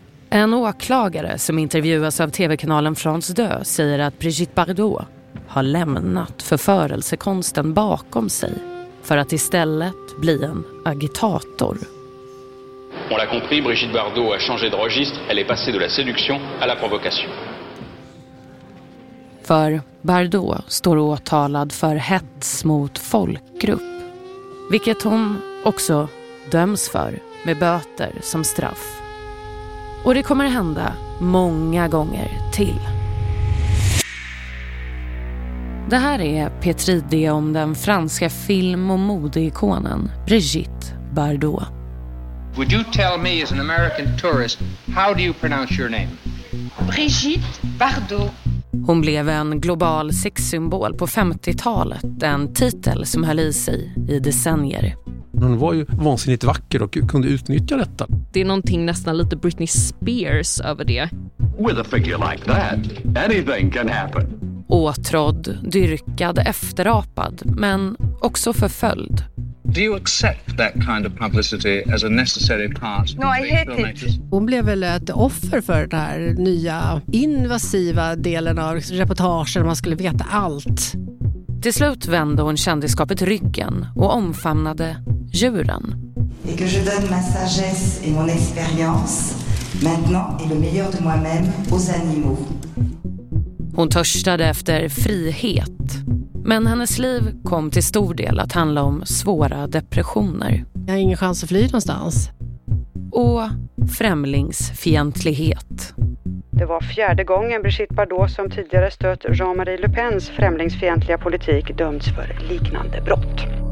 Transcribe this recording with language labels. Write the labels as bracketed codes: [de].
[sv] En åklagare som intervjuas av tv-kanalen France 2 säger att Brigitte Bardot har lämnat förförelsekonsten bakom sig för att istället bli en agitator. [fr] On l'a compris, Brigitte Bardot a changé de registre. Elle est passée de la séduction à la provocation. [sv] För Bardot står åtalad för hets mot folkgrupp, vilket hon också döms för med böter som straff. Och det kommer hända många gånger till. Det här är P3 D om den franska film- och modeikonen Brigitte Bardot. [en] Would you tell me as an American tourist, how do you pronounce your name? Brigitte Bardot. [sv] Hon blev en global sexsymbol på 50-talet, en titel som höll i sig i decennier. Hon var ju vansinnigt vacker och kunde utnyttja detta. Det är någonting nästan lite Britney Spears över det. [en] With a figure like that, anything can happen. [sv] Åtrådd, dyrkad, efterapad, men också förföljd. [en] Do you accept that kind of publicity as a necessary part? No, I hate it. [sv] Hon blev väl ett offer för den här nya invasiva delen av reportagen, man skulle veta allt. Till slut vände hon kändiskapet ryggen och omfamnade djuren. [fr] Et que je donne ma sagesse et mon expérience maintenant et le meilleur de moi-même aux animaux. [sv] Hon törstade efter frihet. Men hennes liv kom till stor del att handla om svåra depressioner. Jag har ingen chans att fly någonstans. Och främlingsfientlighet. Det var fjärde gången Brigitte Bardot som tidigare stött Jean-Marie Le Pens främlingsfientliga politik dömts för liknande brott.